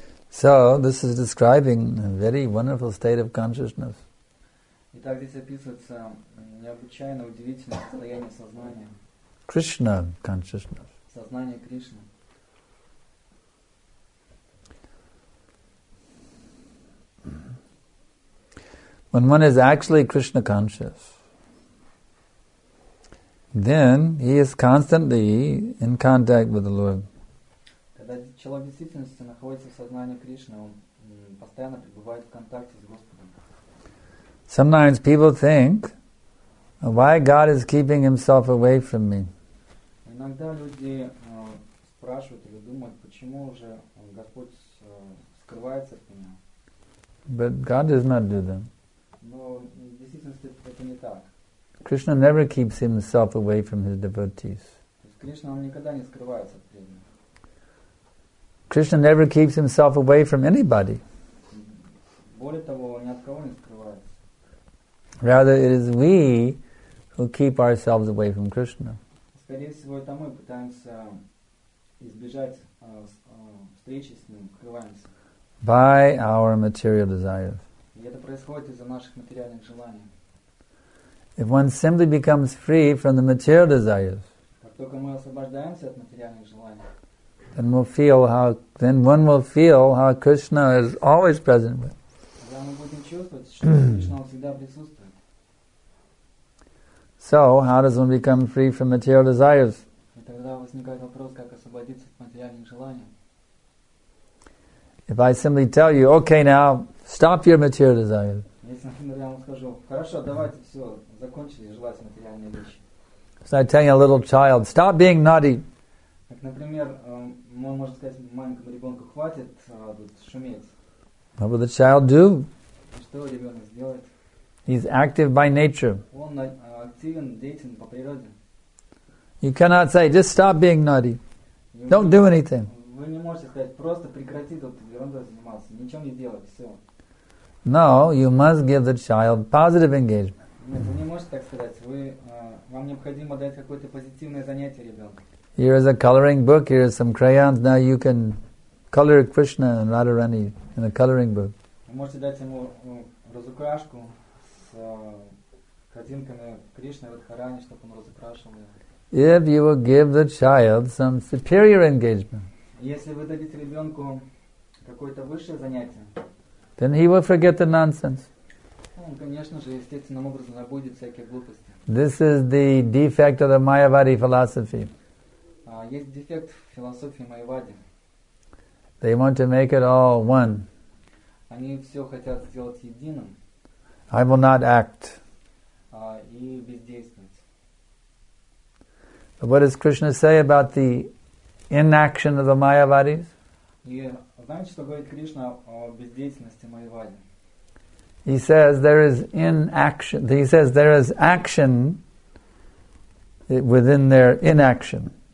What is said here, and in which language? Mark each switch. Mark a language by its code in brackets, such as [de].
[en] So, this is describing a very wonderful state of consciousness. [ru] Итак, здесь описывается необычайно удивительное состояние сознания. [en] Krishna consciousness. [ru] Сознание Кришны. [en] When one is actually Krishna conscious, then he is constantly in contact with the Lord. [ru] Когда человек в действительности находится в сознании Кришны, он постоянно пребывает в контакте с Господом. [en] Sometimes people think Why God is keeping himself away from me? [ru] Иногда люди спрашивают или думают, почему же Господь скрывается от меня. [en] But God does not do that. [ru] Но в действительности это не так. [en] Krishna never keeps himself away from his devotees. [ru] Кришна никогда не скрывается от преданных. [en] Krishna never keeps himself away from anybody. [ru] Более того, ни от кого не скрывается. [en] Rather, it is we who keep ourselves away from Krishna. [ru] Скорее всего, это мы пытаемся избежать встречи с ним, скрываемся. [en] By our material desires. [ru] И это происходит из-за наших материальных желаний. [en] If one simply becomes free from the material desires, [ru] как только мы освобождаемся от материальных желаний, [en] then we'll feel how then one will feel how Krishna is always present with. [ru] Тогда мы будем чувствовать, что Кришна всегда присутствует. [en] So, how does one become free from material desires? [ru] И тогда возникает вопрос, как освободиться от материальных желаний. [en] If I simply tell you, okay, now stop your material desires. [ru] Если, например, я вам скажу, хорошо, давайте все, закончили желать материальные вещи. [en] So I tell you a little child, stop being naughty. [ru] Так, например, можно сказать маленькому ребенку, хватит тут шуметь. [en] What will the child do? [ru] Что ребенок сделает? [en] He's active by nature. [ru] Он активен, деятелен по природе. [en] You cannot say, just stop being naughty. Don't do anything. [ru] Вы не можете сказать, просто прекрати тут ерундой заниматься, ничем не делать, все. [en] No, you must give the child positive engagement. [ru] Нет, вы не можете так сказать. Вы, вам необходимо дать какое-то позитивное занятие ребенку. [en] Here is a coloring book, here is some crayons. Now you can color Krishna and Radharani in a coloring book. [ru] Вы можете дать ему разукрашку с картинками Кришны и Радхарани, чтобы он разукрашивал ее. [en] If you will give the child some superior engagement. [ru] Если вы дадите ребенку какое-то высшее занятие, [en] then he will forget the nonsense. [ru] Он, конечно же, естественным образом забудет всякие глупости. [en] This is the defect of the Mayavadi philosophy. [ru] Есть дефект в философии Майявади. [en] They want to make it all one. [ru] Они все хотят сделать единым. [en] I will not act. [ru] И бездействовать. [en] But what does Krishna say about the inaction of the Mayavadis? [ru] Знаете, что говорит Кришна о бездеятельности Майявади? [en] He says there is inaction. He says there is action within their inaction.